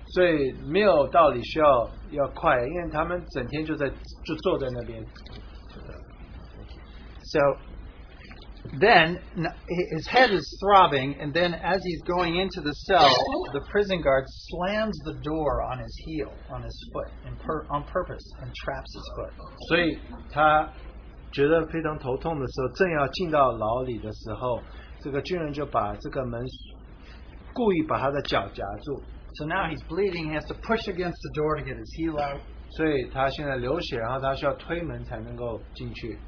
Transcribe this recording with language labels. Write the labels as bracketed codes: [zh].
[zh] 所以没有道理需要快，因为他们整天就坐在那边。 [en] So. Then his head is throbbing, and then as he's going into the cell, the prison guard slams the door on his heel, on his foot, on purpose, and traps his foot. [zh] 所以他觉得非常头痛的时候，正要进到牢里的时候，这个军人就把这个门故意把他的脚夹住。 [en] So now he's bleeding. He has to push against the door to get his heel out. [zh] 所以他现在流血，然后他需要推门才能够进去。